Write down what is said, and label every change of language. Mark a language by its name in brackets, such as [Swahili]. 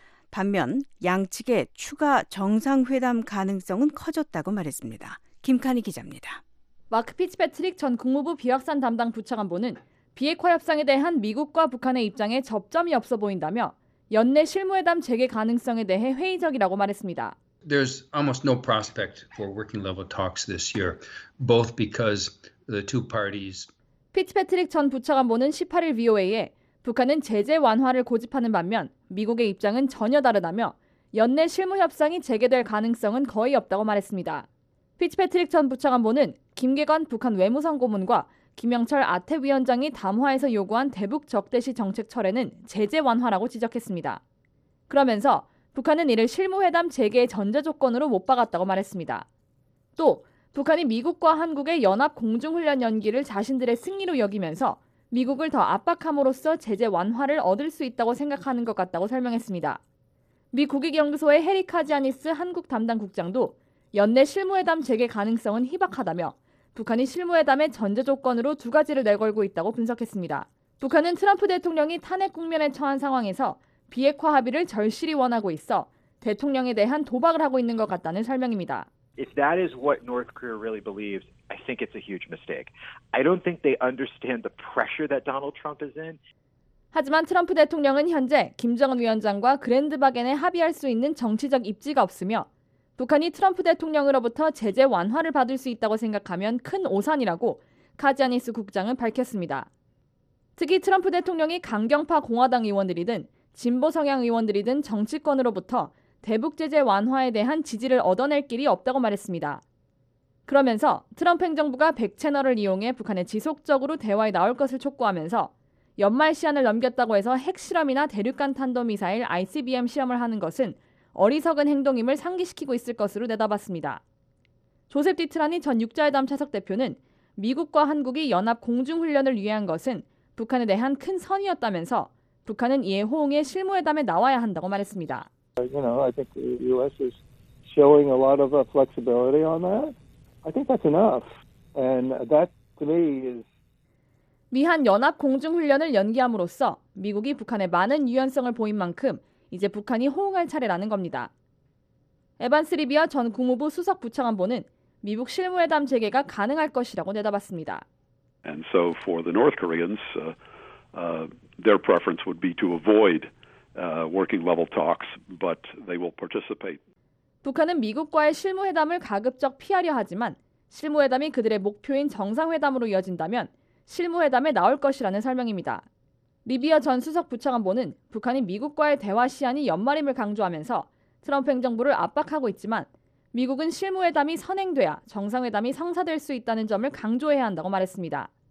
[Korean] 반면 양측의 추가 정상회담 가능성은 커졌다고 말했습니다. 김카니 기자입니다. 마크 피츠패트릭 전 국무부 비확산 담당 부차관보는 비핵화 협상에 대한 미국과 북한의 입장에 접점이 없어 보인다며 연내 실무회담 재개 가능성에 대해 회의적이라고 말했습니다. [English] There's almost no prospect for working level talks this year, both because the two parties. [Korean] 피츠패트릭 전 부차관보는 18일 VOA에 북한은 제재 완화를 고집하는 반면 미국의 입장은 전혀 다르다며 연내 실무 협상이 재개될 가능성은 거의 없다고 말했습니다. 피츠패트릭 전 부차관보는 김계관 북한 외무성 고문과 김영철 아태 위원장이 담화에서 요구한 대북 적대시 정책 철회는 제재 완화라고 지적했습니다. 그러면서 북한은 이를 실무회담 재개의 전제 조건으로 못 박았다고 말했습니다. 또 북한이 미국과 한국의 연합 공중훈련 연기를 자신들의 승리로 여기면서 미국을 더 압박함으로써 제재 완화를 얻을 수 있다고 생각하는 것 같다고 설명했습니다. 미 국익연구소의 해리 카지아니스 한국 담당 국장도 연내 실무회담 재개 가능성은 희박하다며 북한이 실무회담의 전제 조건으로 두 가지를 내걸고 있다고 분석했습니다. 북한은 트럼프 대통령이 탄핵 국면에 처한 상황에서 비핵화 합의를 절실히 원하고 있어 대통령에 대한 도박을 하고 있는 것 같다는 설명입니다. [English] If that is what North Korea really believes, I think it's a huge mistake. I don't think they understand the pressure that Donald Trump is in. [Korean] 하지만 트럼프 대통령은 현재 김정은 위원장과 그랜드바겐에 합의할 수 있는 정치적 입지가 없으며 북한이 트럼프 대통령으로부터 제재 완화를 받을 수 있다고 생각하면 큰 오산이라고 카지아니스 국장은 밝혔습니다. 특히 트럼프 대통령이 강경파 공화당 의원들이든 진보 성향 의원들이든 정치권으로부터 대북 제재 완화에 대한 지지를 얻어낼 길이 없다고 말했습니다. 그러면서 트럼프 행정부가 100채널을 이용해 북한에 지속적으로 대화에 나올 것을 촉구하면서 연말 시한을 넘겼다고 해서 핵실험이나 대륙간 탄도미사일 ICBM 시험을 하는 것은 어리석은 행동임을 상기시키고 있을 것으로 내다봤습니다. 조셉 디트라니 전 육자회담 차석 대표는 미국과 한국이 연합 공중훈련을 위한 것은 북한에 대한 큰 선이었다면서 북한은 이에 호응해 실무회담에 나와야 한다고 말했습니다. [English] You know, I think the U.S. is showing a lot of flexibility on that. I think that's enough. And that, to me, is. [Korean] 미한 연합 공중훈련을 연기함으로써 미국이 북한에 많은 유연성을 보인 만큼 이제 북한이 호응할 차례라는 겁니다. 에반스 리비아 전 국무부 수석 부차관보는 미북 실무회담 재개가 가능할 것이라고 내다봤습니다. [English] And so for the North Koreans, their preference would be to avoid. Working level talks, but they will participate. [Korean] 북한은 미국과의 실무회담을 가급적 피하려 하지만 실무회담이 그들의 목표인 정상회담으로 이어진다면 실무회담에 나올 것이라는 설명입니다. 리비아 전 수석 부차관보는 북한이 미국과의 대화 시한이 연말임을 강조하면서 트럼프 행정부를 압박하고 있지만 미국은 실무회담이 선행돼야 정상회담이 성사될 수 있다는 점을 강조해야 한다고 말했습니다.